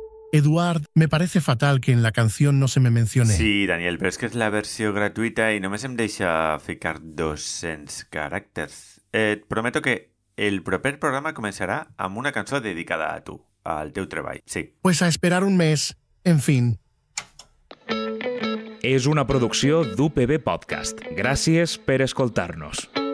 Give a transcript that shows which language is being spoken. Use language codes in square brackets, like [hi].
[es] Eduard, me parece fatal que en la canción no se me mencione. [ca] Sí, Daniel, [es] pero es que [ca] es la versió gratuïta i només em deixa ficar 200 caràcters. Et prometo que el proper programa començarà amb una cançó dedicada a tu, al teu treball, sí. [es] Pues a esperar un mes, en fin. [ca] És una producció d'UPB Podcast. Gràcies per escoltar-nos.